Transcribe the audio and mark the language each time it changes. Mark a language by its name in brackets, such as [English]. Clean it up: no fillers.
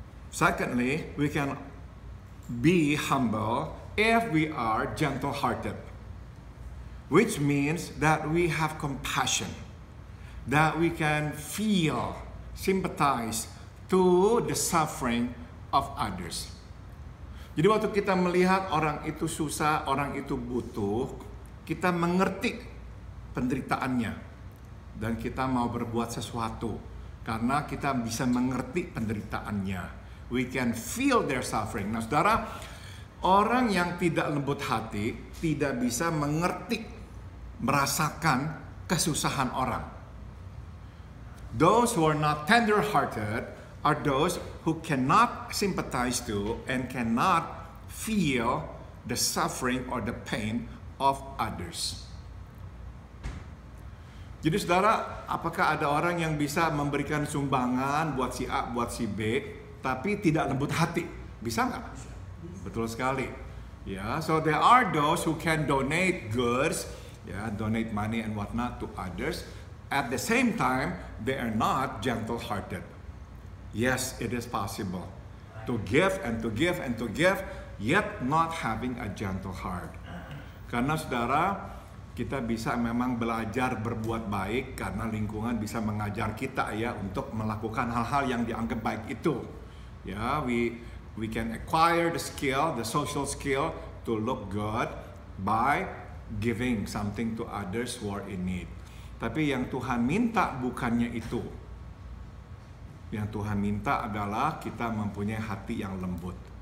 [English] Secondly, we can be humble if we are gentle-hearted, which means that we have compassion, that we can feel, sympathize to the suffering of others. [Indonesian] Jadi waktu kita melihat orang itu susah, orang itu butuh, kita mengerti penderitaannya dan kita mau berbuat sesuatu karena kita bisa mengerti penderitaannya. [English] We can feel their suffering. [Indonesian] Nah, saudara, orang yang tidak lembut hati tidak bisa mengerti, merasakan kesusahan orang. [English] Those who are not tender-hearted are those who cannot sympathize to and cannot feel the suffering or the pain of others. [Indonesian] Jadi saudara, apakah ada orang yang bisa memberikan sumbangan buat si A, buat si B, tapi tidak lembut hati? Bisa nggak? Betul sekali. Yeah. [English] So there are those who can donate goods, yeah, donate money and whatnot to others. At the same time, they are not gentle-hearted. Yes, it is possible to give and to give and to give, yet not having a gentle heart. [Indonesian] Karena saudara, kita bisa memang belajar berbuat baik karena lingkungan bisa mengajar kita ya untuk melakukan hal-hal yang dianggap baik itu. [English] Ya, we can acquire the skill, the social skill to look good by giving something to others who are in need. [Indonesian] Tapi yang Tuhan minta bukannya itu. Yang Tuhan minta adalah kita mempunyai hati yang lembut.